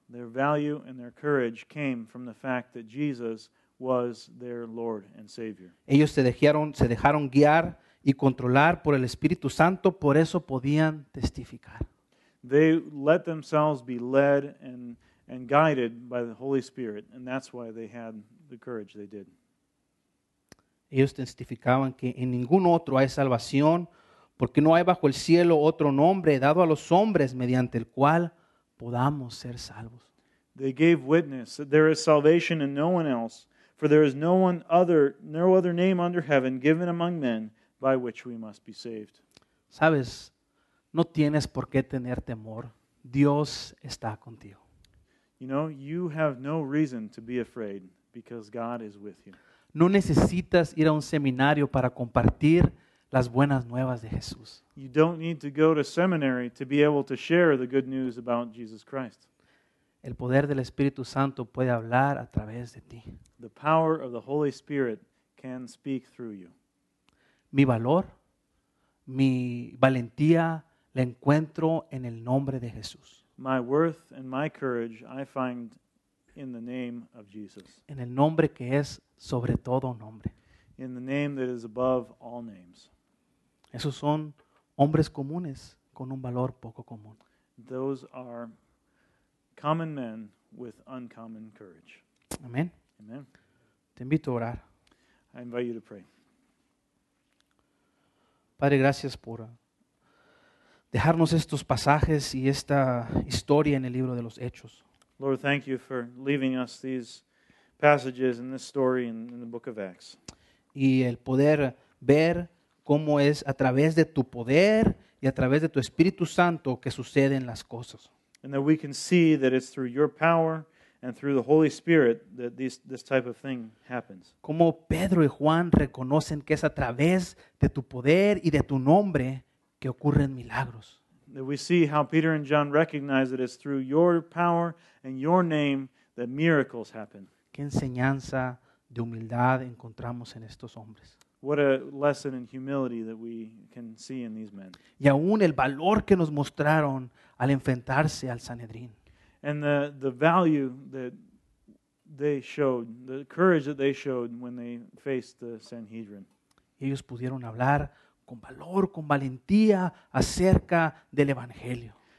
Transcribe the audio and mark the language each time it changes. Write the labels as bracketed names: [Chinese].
[English] Their value and their courage came from the fact that Jesus was their Lord and Savior. [Spanish] Ellos se dejaron guiar y controlar por el Espíritu Santo, por eso podían testificar. [English] They let themselves be led and guided by the Holy Spirit, and that's why they had the courage they did. [Spanish] Ellos testificaban que en ningún otro hay salvación, porque no hay bajo el cielo otro nombre dado a los hombres mediante el cual podamos ser salvos. [English] They gave witness that there is salvation in no one else, for there is no other name under heaven given among men by which we must be saved. [Spanish] Sabes, no tienes por qué tener temor. Dios está contigo. [English] You know, you have no reason to be afraid because God is with you. [Spanish] No necesitas ir a un seminario para compartir las buenas nuevas de Jesús. [English] You don't need to go to seminary to be able to share the good news about Jesus Christ. [Spanish] El poder del Espíritu Santo puede hablar a través de ti. [English] The power of the Holy Spirit can speak through you. [Spanish] Mi valor, mi valentía, la encuentro en el nombre de Jesús. [English] My worth and my courage I find in the name of Jesus. [Spanish] En el nombre que es sobre todo nombre. [English] In the name that is above all names. [Spanish] Esos son hombres comunes con un valor poco común. [English] Those are common men with uncommon courage. Amen. Amen. [Spanish] Te invito a orar. [English] I invite you to pray. [Spanish] Padre, gracias por dejarnos estos pasajes y esta historia en el libro de los Hechos. [English] Lord, thank you for leaving us these passages and this story in the book of Acts. [Spanish] Y el poder ver cómo es a través de tu poder y a través de tu Espíritu Santo que suceden las cosas. [English] And that we can see that it's through your power and through the Holy Spirit that this type of thing happens. [Spanish] Como Pedro y Juan reconocen que es a través de tu poder y de tu nombre que ocurren milagros. [English] That we see how Peter and John recognize that it's through your power and your name that miracles happen. [Spanish] ¿Qué enseñanza de humildad encontramos en estos hombres? [English] What a lesson in humility that we can see in these men. [Spanish] Y aún el valor que nos mostraron al enfrentarse al Sanedrín. [English] And the value that they showed, the courage that they showed when they faced the Sanhedrin. [Spanish] Ellos pudieron hablar con valor, con valentía acerca del Evangelio.